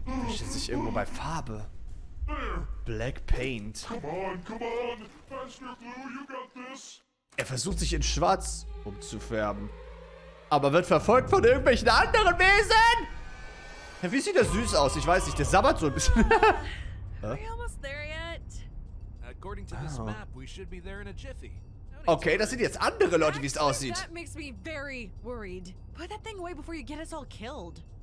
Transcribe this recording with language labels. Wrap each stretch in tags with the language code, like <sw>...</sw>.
<de>Schätze ich irgendwo bei Farbe.</de> <en>Black Paint. Come on, come on. Blue, you got this.</en> <de>Er versucht sich in Schwarz umzufärben. Aber wird verfolgt von irgendwelchen anderen Wesen. Ja, wie sieht das süß aus? Ich weiß nicht, der sabbert so ein bisschen.</de> <en>According to this map, we should be there in a jiffy.</en> <de>Okay, das sind jetzt andere Leute, wie es aussieht.</de> <en>That makes me very worried. Put that thing away before you get us all killed.</en>